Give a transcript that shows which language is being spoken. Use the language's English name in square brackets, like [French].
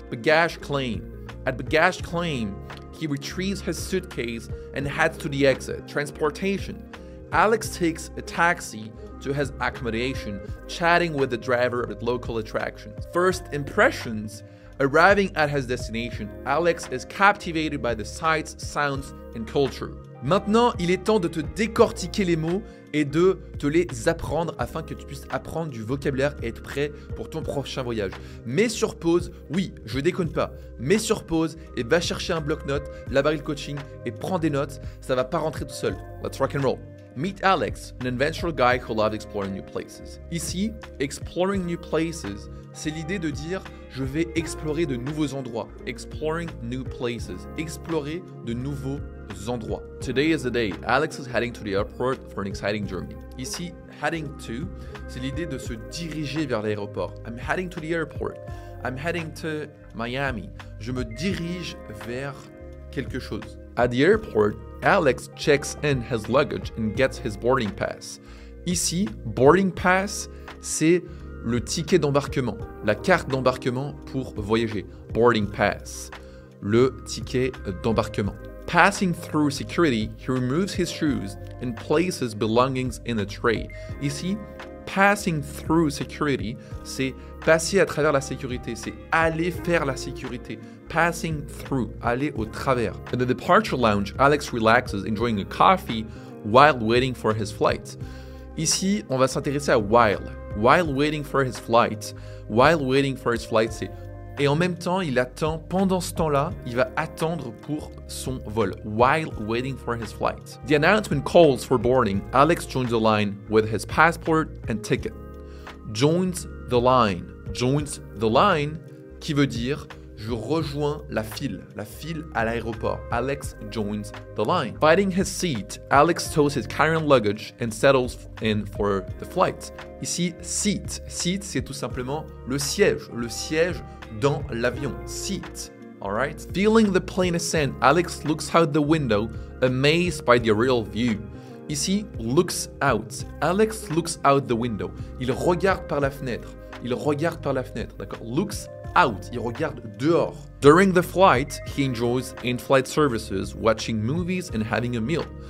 [English] Bagage claim. At bagage claim, he retrieves his suitcase and heads to the exit. Transportation. Alex takes a taxi to his accommodation, chatting with the driver at local attractions. First impressions. Arriving at his destination, Alex is captivated by the sights, sounds, and culture. [French] Maintenant, il est temps de te décortiquer les mots et de te les apprendre afin que tu puisses apprendre du vocabulaire et être prêt pour ton prochain voyage. Mets sur pause, oui, je déconne pas, mets sur pause et va chercher un bloc-notes, la barre de coaching et prends des notes, ça va pas rentrer tout seul. [English] Let's rock and roll. Meet Alex, an adventurous guy who loves exploring new places. [French] Ici, [English] exploring new places, [French] c'est l'idée de dire je vais explorer de nouveaux endroits. [English] Exploring new places, [French] explorer de nouveaux endroits. [English] Today is the day. Alex is heading to the airport for an exciting journey. [French] Ici, [English] heading to, [French] c'est l'idée de se diriger vers l'aéroport. [English] I'm heading to the airport. I'm heading to Miami. [French] Je me dirige vers quelque chose. [English] At the airport, Alex checks in his luggage and gets his boarding pass. [French] Ici, [English] boarding pass, [French] c'est le ticket d'embarquement, la carte d'embarquement pour voyager. [English] Boarding pass, [French] le ticket d'embarquement. [English] Passing through security, he removes his shoes and places belongings in a tray. [French] Ici, [English] passing through security, [French] c'est passer à travers la sécurité, c'est aller faire la sécurité. [English] Passing through, [French] aller au travers. [English] In the departure lounge, Alex relaxes, enjoying a coffee while waiting for his flight. [French] Ici, on va s'intéresser à [English] while. While waiting for his flight. While waiting for his flight, c'est... [French] Et en même temps, il attend, pendant ce temps-là, il va attendre pour son vol. [English] While waiting for his flight. The announcement calls for boarding. Alex joins the line with his passport and ticket. Joins the line. Joins the line, [French] qui veut dire... Je rejoins la file à l'aéroport. [English] Alex joins the line. Biding his seat, Alex stows his carry-on luggage and settles in for the flight. [French] Ici, seat. [English] Seat, [French] c'est tout simplement le siège dans l'avion. [English] Seat, all right? Feeling the plane ascend, Alex looks out the window, amazed by the aerial view. [French] Ici, [English] looks out. Alex looks out the window. [French] Il regarde par la fenêtre. Il regarde par la fenêtre, d'accord? [English] Looks out, [French] il regarde dehors. [English] During the flight, he enjoys in-flight services, watching movies and having a meal.